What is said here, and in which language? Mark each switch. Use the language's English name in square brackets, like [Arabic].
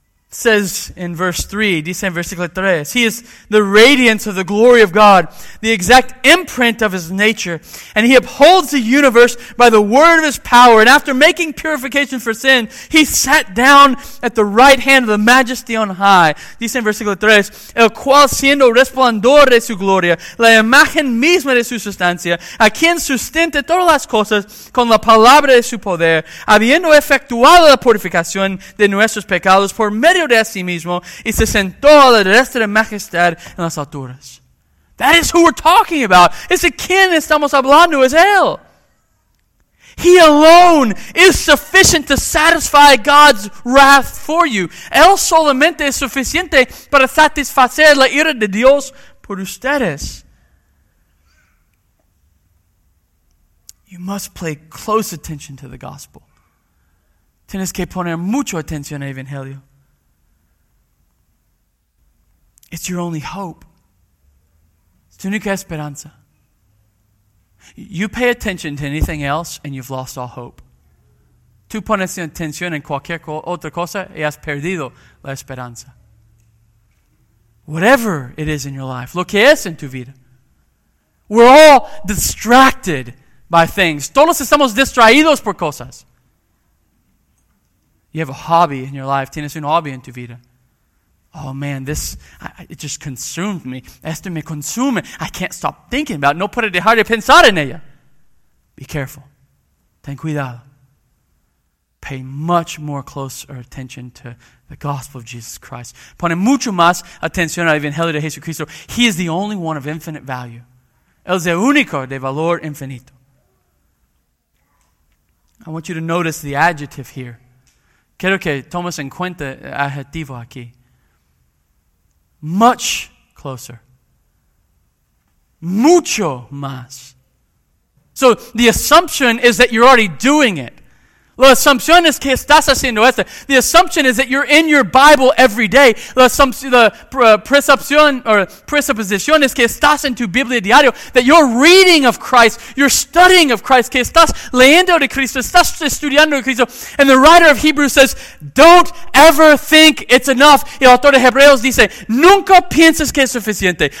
[English] It says in verse 3, [Spanish] dice en versículo 3, [English] He is the radiance of the glory of God, the exact imprint of His nature, and He upholds the universe by the word of His power, and after making purification for sin, He sat down at the right hand of the majesty on high. [Spanish] Dice en versículo 3, El cual siendo resplandor de su gloria, la imagen misma de su sustancia, a quien sustenta todas las cosas con la palabra de su poder, habiendo efectuado la purificación de nuestros pecados por de sí mismo y se sentó a la derecha de majestad en las alturas. [English] That is who we're talking about. [Spanish] Es a quien estamos hablando, es Él. [English] He alone is sufficient to satisfy God's wrath for you. [Spanish] Él solamente es suficiente para satisfacer la ira de Dios por ustedes. [English] You must pay close attention to the gospel. [Spanish] Tienes que poner mucho atención al Evangelio. [English] It's your only hope. [Spanish] Es tu única esperanza. [English] You pay attention to anything else and you've lost all hope. [Spanish] Tú pones atención en cualquier otra cosa y has perdido la esperanza. [English] Whatever it is in your life, [Spanish] lo que es en tu vida, [English] we're all distracted by things. [Spanish] Todos estamos distraídos por cosas. [English] You have a hobby in your life. [Spanish] Tienes un hobby en tu vida. [English] Oh man, it just consumed me. [Spanish] Esto me consume. [English] I can't stop thinking about it. [Spanish] No puedo dejar de pensar en ella. [English] Be careful. [Spanish] Ten cuidado. [English] pay much more closer attention to the gospel of Jesus Christ. [Spanish] Pone mucho más atención al Evangelio de Jesucristo. [English] He is the only one of infinite value. [Spanish] Él es el único de valor infinito. [English] I want you to notice the adjective here. [Spanish] Quiero que tomes en cuenta el adjetivo aquí. [English] Much closer. [Spanish] Mucho más. [English] So the assumption is that you're already doing it. [Spanish] La asunción es que estás haciendo esto. [English] The assumption is that you're in your Bible every day. [Spanish] La presuposición es que estás en tu Biblia diario. [English] That you're reading of Christ. You're studying of Christ. [Spanish] Que estás leyendo de Cristo. Estás estudiando de Cristo. [English] And the writer of Hebrews says, don't ever think it's enough. [Spanish] Y el autor de Hebreos dice, nunca pienses que es suficiente.